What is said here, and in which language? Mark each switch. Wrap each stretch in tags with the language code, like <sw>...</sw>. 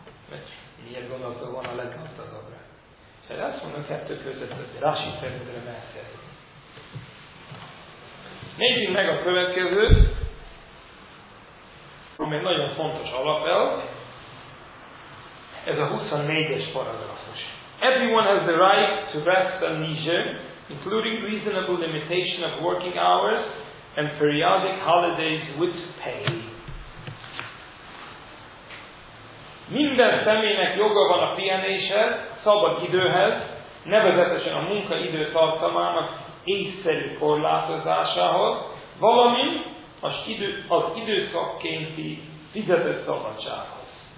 <hu>Mert miért gondolta volna a legnagyobbra? Tehát azt mondom, kettő között, hogy Rási felületre megszerzik. Nézzük meg a következőt, ami egy nagyon fontos alapelv. Ez a 24-es paragrafus.</hu> <en>Everyone has the right to rest and leisure, including reasonable limitation of working hours and periodic holidays with pay.</en> <hu>Minden személynek joga van a pihenéshez, szabad időhez, nevezetesen a munkaidő tartamának észszerű korlátozásához, valamint az időszakkénti fizetett szabadsághoz.</hu>